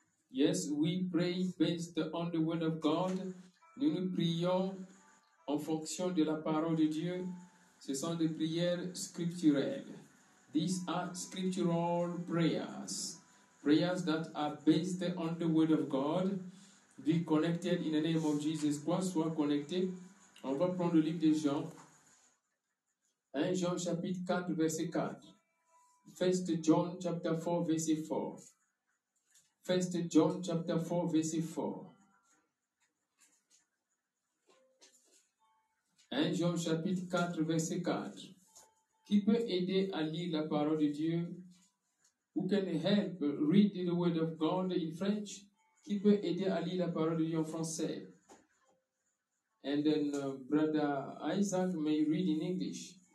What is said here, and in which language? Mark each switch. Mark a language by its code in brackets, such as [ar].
[en] Yes, we pray based on the word of God. [fr] Nous prions en fonction de la parole de Dieu. Ce sont des prières scripturelles. [en] These are scriptural prayers. Prayers that are based on the word of God. Be connected in the name of Jesus Christ. [fr] Sois connecté. On va prendre le livre de Jean. 1 Jean chapitre 4, verset 4. 1 John chapitre 4, verset 4. 1 John chapitre 4, verset 4. 1 Jean chapitre 4, verset 4. Qui peut aider à lire la parole de Dieu? [en] Who can help read the word of God in French? [fr] Qui peut aider à lire la parole de Dieu en français? [en] And then brother Isaac may read in English.